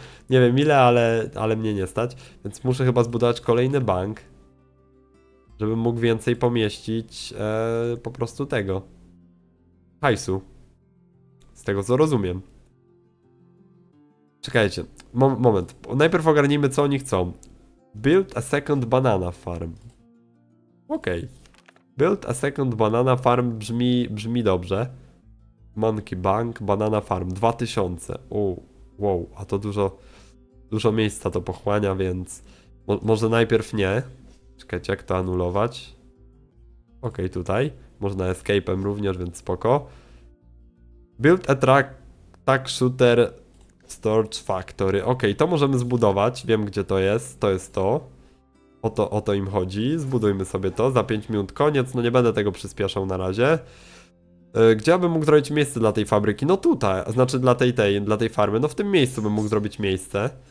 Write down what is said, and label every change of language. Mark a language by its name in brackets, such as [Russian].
[Polish] Nie wiem ile, ale mnie nie stać. Więc muszę chyba zbudować kolejny bank. Żebym mógł więcej pomieścić po prostu tego hajsu. Z tego co rozumiem. Czekajcie, moment. Najpierw ogarnijmy co oni chcą. [English] Build a second banana farm. Okej. Okay. Build a second banana farm [Polish] brzmi dobrze. [English] Monkey bank, banana farm. [Polish] 2000. Wow, a to dużo miejsca to pochłania, więc może najpierw nie. Czekajcie, jak to anulować. Okej, tutaj. Można escape'em również, więc spoko. [English] Build a tag shooter storage factory. [Polish] Okej, to możemy zbudować. Wiem, gdzie to jest. To jest to. O to im chodzi. Zbudujmy sobie to za 5 minut. Koniec. No nie będę tego przyspieszał na razie. Gdzie ja bym mógł zrobić miejsce dla tej fabryki? No tutaj. Znaczy dla tej farmy. No w tym miejscu bym mógł zrobić miejsce.